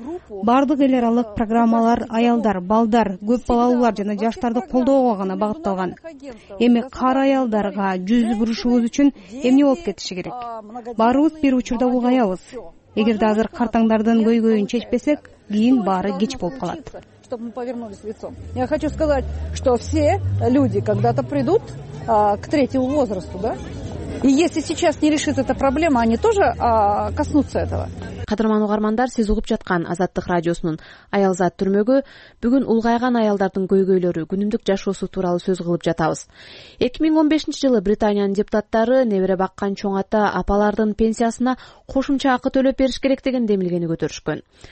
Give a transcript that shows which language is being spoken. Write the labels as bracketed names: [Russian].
[Kyrgyz] Бардык эл аралык программалар аялдар, балдар, көп балалуулар жана жаштарды колдоого гана багытталган. Эми кары аялдарга жүз бурушубуз үчүн эмне болуп кетиши керек? Баарыбыз бир учурда улгаябыз. Эгерде азыр картаңдардын көйгөйүн чечпесек, кийин баары кеч болуп калат. [Russian] Чтобы мы повернулись лицом. Я хочу сказать, что все люди когда-то придут к третьему возрасту, да? И если сейчас не решится эта проблема, они тоже коснутся этого. [Kyrgyz] Кадырман угармандар, сиз угуп жаткан Азаттык радиосунун аялзат түрмөгү, бүгүн улгайган аялдардын көйгөйлөрү, күнүмдүк жашоосу тууралуу сөз кылып жатабыз. 2015 жылы Британиянын депутаттары небере баккан чоң ата апалардын пенсиясына кошумча акы төлөп бериш керек деген демилгени көтөрүшкөн.